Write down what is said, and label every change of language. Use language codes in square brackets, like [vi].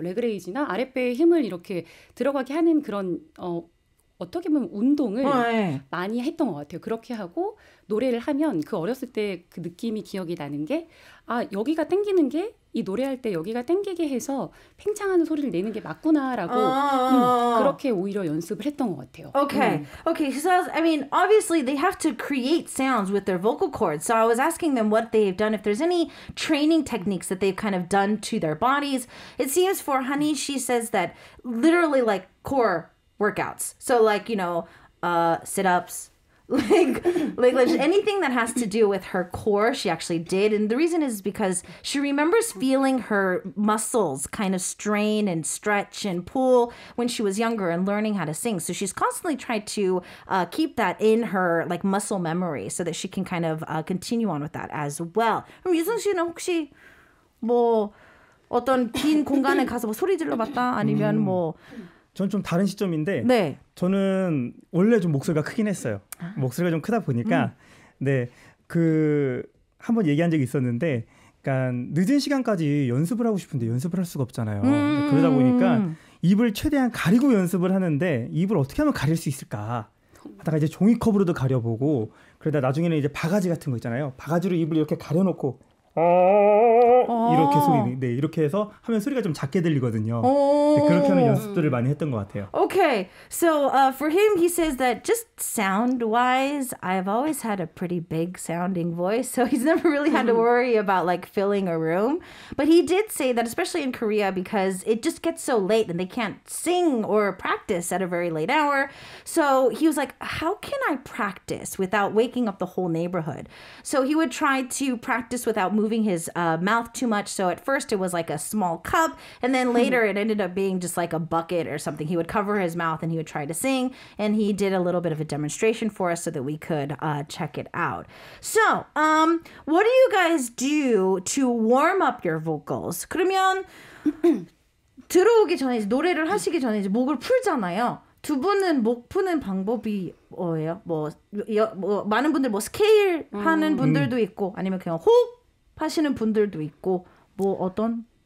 [ko] 레그레이지나 아랫배에 힘을 이렇게 들어가게 하는 그런 어떻게 보면 운동을 많이 했던 것 같아요. 그렇게 하고 노래를 하면 그 어렸을 때 그 느낌이 기억이 나는 게 아, 여기가 땡기는 게 이 노래할 때 여기가 땡기게 해서 팽창하는 소리를 내는 게 맞구나라고 그렇게 오히려 연습을 했던 것 같아요. [en] Okay. Okay. So, I mean, obviously they have to create sounds with their vocal cords. So I was asking them what they've done, if there's any training techniques that they've kind of done to their bodies. It seems for Honey, she says that literally like core workouts. So like, you know, sit-ups. Like, anything that has to do with her core, she actually did. And the reason is because she remembers feeling her muscles kind of strain and stretch and pull when she was younger and learning how to sing. So she's constantly tried to keep that in her like muscle memory so that she can kind of continue on with that as well. [ko] 그럼 유승 씨는 혹시 뭐 어떤 빈 공간에 가서 뭐 소리 질러봤다 아니면 뭐 저는 좀 다른 시점인데 네. 저는 원래 좀 목소리가 크긴 했어요. 목소리가 좀 크다 보니까 네, 그 한번 얘기한 적이 있었는데 그러니까 늦은 시간까지 연습을 하고 싶은데 연습을 할 수가 없잖아요. 그러다 보니까 입을 최대한 가리고 연습을 하는데 입을 어떻게 하면 가릴 수 있을까 하다가 이제 종이컵으로도 가려보고 그러다 나중에는 이제 바가지 같은 거 있잖아요. 바가지로 입을 이렇게 가려놓고 이렇게 소리, 네 이렇게 해서 하면 소리가 좀 작게 들리거든요. 네, 그렇게 하는 연습들을 많이 했던 것 같아요. [en] Okay, so for him, he says that just sound-wise, I've always had a pretty big-sounding voice, so he's never really had to worry about like filling a room. But he did say that, especially in Korea, because it just gets so late and they can't sing or practice at a very late hour. So he was like, "How can I practice without waking up the whole neighborhood?" So he would try to practice without moving his mouth too much. So at first it was like a small cup, and then later it ended up being just like a bucket or something. He would cover his mouth and he would try to sing, and he did a little bit of a demonstration for us so that we could check it out. So what do you guys do to warm up your vocals? [ko] 그러면 들어오기 전에 노래를 하시기 전에 이제 목을 풀잖아요. 두 분은 목 푸는 방법이 뭐예요? 많은 분들 뭐 스케일 하는 분들도 있고 아니면 그냥 호흡 하시는 분들도 있고 뭐 어떤?